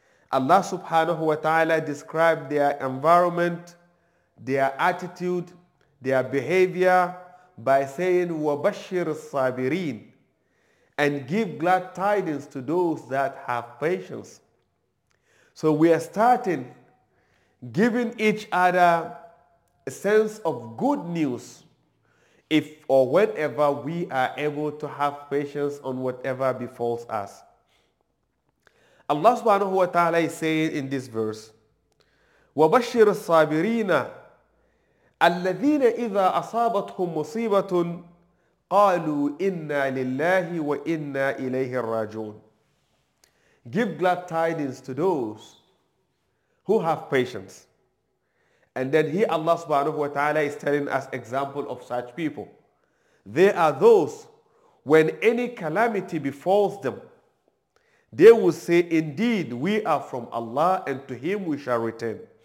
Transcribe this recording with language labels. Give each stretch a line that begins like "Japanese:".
English: Allah subhanahu wa ta'ala described their environment, their attitude, their behavior by saying,
Arabic: وَبَشِّرِ الصَّابِرِينَ,
English: and give glad tidings to those that have patience. So we are starting giving each other a sense of good news if or whenever we are able to have patience on whatever befalls us. Allah subhanahu wa ta'ala is saying in this verse,
Arabic: وَبَشِّرِ الصَّابِرِينَ الَّذِينَ إِذَا أَصَابَتْهُمْ مُصِيبَةٌ قَالُوا إِنَّا لِلَّهِ وَإِنَّا إِلَيْهِ الرَّاجُونَ.
English: Give glad tidings to those who have patience. And then here Allah subhanahu wa ta'ala is telling us example of such people. They are those, when any calamity befalls them, they will say, indeed, we are from Allah and to Him we shall return.